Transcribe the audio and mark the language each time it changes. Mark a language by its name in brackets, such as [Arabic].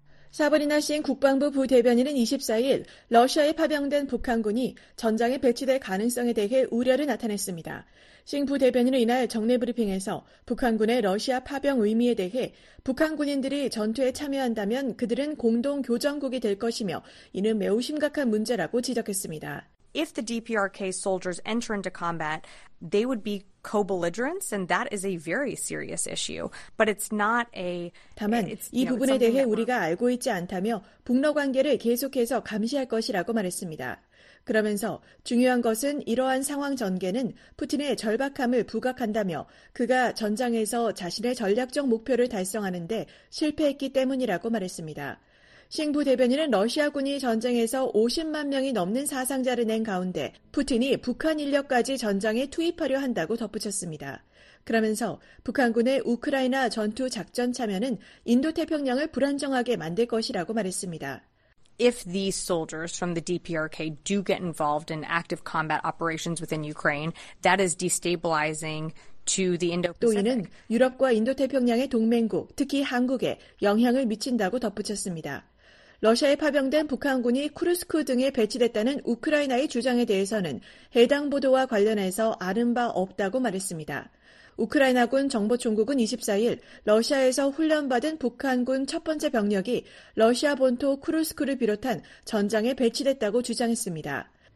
[Korean] 사버리나 신 국방부 부대변인은 24일 러시아에 파병된 북한군이 전장에 배치될 가능성에 대해 우려를 나타냈습니다. 싱 부대변인은 이날 정례 브리핑에서 북한군의 러시아 파병 의미에 대해 북한 군인들이 전투에 참여한다면 그들은 공동 교전국이 될 것이며 이는 매우 심각한 문제라고 지적했습니다. [English] If the DPRK soldiers enter into combat, they would be co-belligerents, and that is a very serious issue. But it's not a. [Korean] 다만 이 부분에 대해 우리가 알고 있지 않다며 북러 관계를 계속해서 감시할 것이라고 말했습니다. 그러면서 중요한 것은 이러한 상황 전개는 푸틴의 절박함을 부각한다며 그가 전장에서 자신의 전략적 목표를 달성하는데 실패했기 때문이라고 말했습니다. 싱부 대변인은 러시아군이 전쟁에서 50만 명이 넘는 사상자를 낸 가운데 푸틴이 북한 인력까지 전장에 투입하려 한다고 덧붙였습니다. 그러면서 북한군의 우크라이나 전투 작전 참여는 인도태평양을 불안정하게 만들 것이라고 말했습니다. [English] If these soldiers from the DPRK do get involved in active combat operations within Ukraine, that is destabilizing to the Indo-Pacific. [Korean] 또 이는 유럽과 인도태평양의 동맹국, 특히 한국에 영향을 미친다고 덧붙였습니다. 러시아에 파병된 북한군이 쿠르스크 등에 배치됐다는 우크라이나의 주장에 대해서는 해당 보도와 관련해서 아는 바 없다고 말했습니다. 우크라이나군 정보총국은 24일 러시아에서 훈련받은 북한군 첫 번째 병력이 러시아 본토 쿠르스크를 비롯한 전장에 배치됐다고 주장했습니다.